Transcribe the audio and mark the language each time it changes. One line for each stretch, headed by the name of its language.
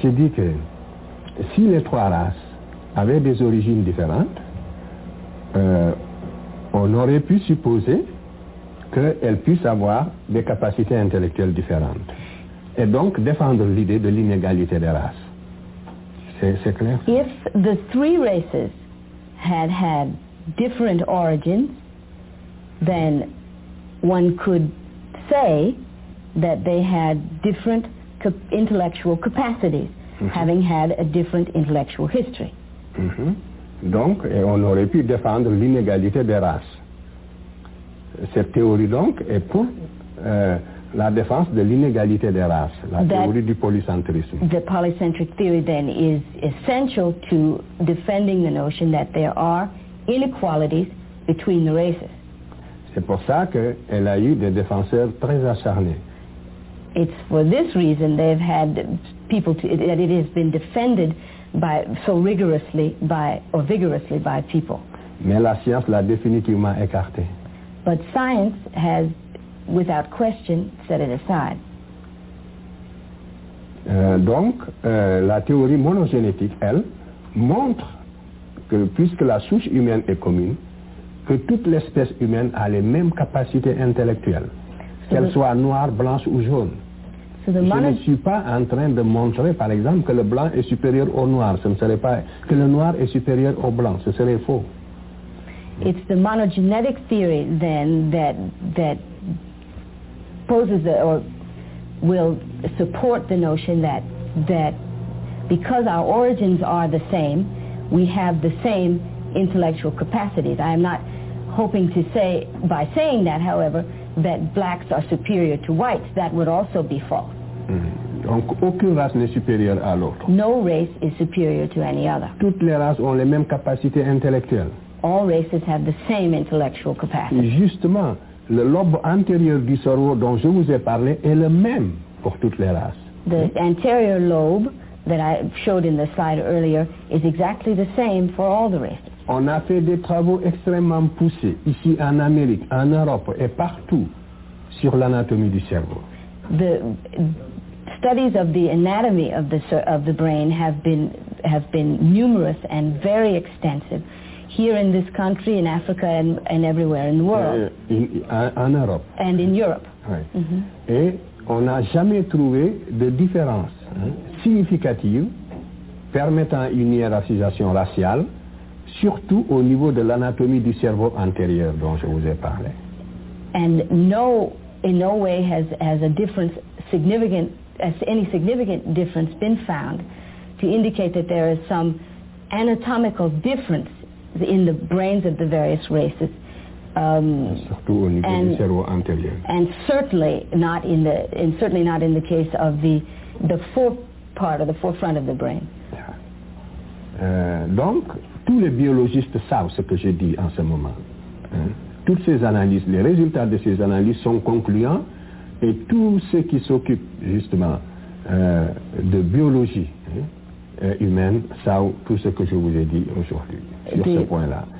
French: J'ai dit que si les trois races avaient des origines différentes, on aurait pu supposer qu'elles puissent avoir des capacités intellectuelles différentes. Et donc défendre l'idée de l'inégalité des races. C'est clair?
English: If the three races had had different origins, then one could say that they had different intellectual capacities, mm-hmm. having had a different intellectual history. Mm-hmm.
French: Donc, et on aurait pu défendre l'inégalité des races. Cette théorie, donc, est pour la défense de l'inégalité des races, théorie du polycentrisme.
English: The polycentric theory, then, is essential to defending the notion that there are inequalities between the races.
French: C'est pour ça qu'elle a eu des défenseurs très acharnés.
English: It's for this reason they've had people to, that it has been defended by so rigorously by or vigorously by people.
French: Mais la science l'a définitivement écarté.
English: But science has, without question, set it aside.
French: La théorie monogénétique, elle, montre que puisque la souche humaine est commune, que toute l'espèce humaine a les mêmes capacités intellectuelles, qu'elle soit noire, blanche ou jaune. Je ne suis pas en train de montrer, par exemple, que le blanc est supérieur au noir. Ce ne serait pas que le noir est supérieur au blanc. Ce serait faux.
English: It's the monogenetic theory then that poses the, or will support the notion that because our origins are the same, we have the same intellectual capacities. I am not hoping to say, by saying that, however, that blacks are superior to whites. That would also be false.
French: Mm-hmm. Donc, aucune race n'est supérieure à l'autre.
English: No race is superior to any other.
French: Toutes les races ont les mêmes capacités intellectuelles.
English: All races have the same intellectual capacity.
French: Justement, le lobe antérieur du cerveau dont je vous ai parlé est le même pour toutes les races.
English: The anterior lobe that I showed in the slide earlier is exactly the same for all the races.
French: On a fait des travaux extrêmement poussés ici en Amérique, en Europe et partout sur l'anatomie du cerveau.
English: The studies of the anatomy of the brain have been numerous and very extensive here in this country, in Africa and everywhere in the world.
French: En Europe.
English: And in Europe.
French: Oui. Mm-hmm. Et on n'a jamais trouvé de différence significative permettant une hiérarchisation raciale, surtout au niveau de l'anatomie du cerveau antérieur dont je vous ai parlé.
English: And in no way has a difference any significant difference been found to indicate that there is some anatomical difference in the brains of the various races.
French: Surtout au niveau du cerveau antérieur.
English: And certainly not in the case of the forefront of the forefront of the brain.
French: Donc tous les biologistes savent ce que je dis en ce moment. Hein? Toutes ces analyses, les résultats de ces analyses sont concluants et tous ceux qui s'occupent justement de biologie humaine savent tout ce que je vous ai dit aujourd'hui sur ce point-là.